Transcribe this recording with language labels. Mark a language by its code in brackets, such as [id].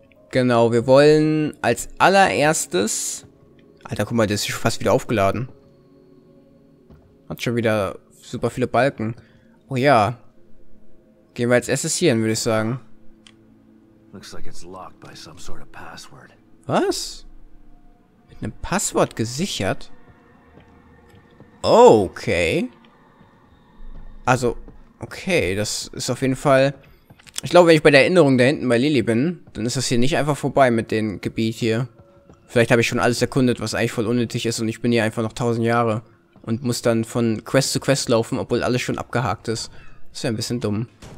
[de] Genau, wir wollen als allererstes... Alter, guck mal, der ist schon fast wieder aufgeladen. Hat schon wieder super viele Balken. Oh ja. Gehen wir als erstes hier hin, würde ich sagen. [en] Looks like it's locked by some sort of password. [de] Was? Mit einem Passwort gesichert? Okay. Also, okay, das ist auf jeden Fall... Ich glaube, wenn ich bei der Erinnerung da hinten bei Lilly bin, dann ist das hier nicht einfach vorbei mit dem Gebiet hier. Vielleicht habe ich schon alles erkundet, was eigentlich voll unnötig ist, und ich bin hier einfach noch 1000 Jahre und muss dann von Quest zu Quest laufen, obwohl alles schon abgehakt ist. Das wäre ein bisschen dumm.